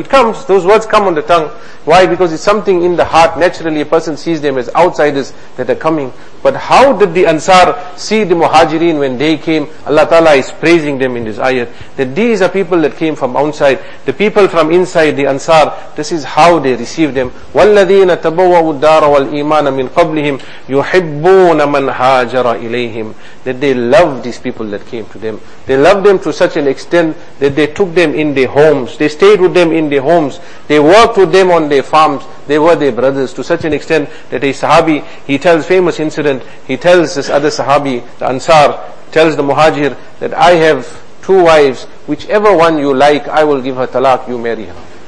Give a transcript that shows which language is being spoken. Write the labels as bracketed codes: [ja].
[en] It comes, those words come on the tongue. Why? Because it's something in the heart. Naturally, a person sees them as outsiders that are coming. But how did the Ansar see the Muhajirin when they came? Allah Ta'ala is praising them in this ayat, that these are people that came from outside. The people from inside, the Ansar, this is how they receive them. [ar] وَالَّذِينَ تَبَوَّوا الدَّارَ وَالْإِيمَانَ مِنْ قَبْلِهِمْ يُحِبُّونَ مَنْ هَاجَرَ إِلَيْهِمْ, [en] that they love these people that came to them. They love them to such an extent that they took them in their homes. They stayed with them in their homes. They worked with them on their farms. They were their brothers to such an extent that a Sahabi, he tells famous incident, he tells this other Sahabi, the Ansar, tells the Muhajir that I have two wives, whichever one you like, I will give her talaq, you marry her.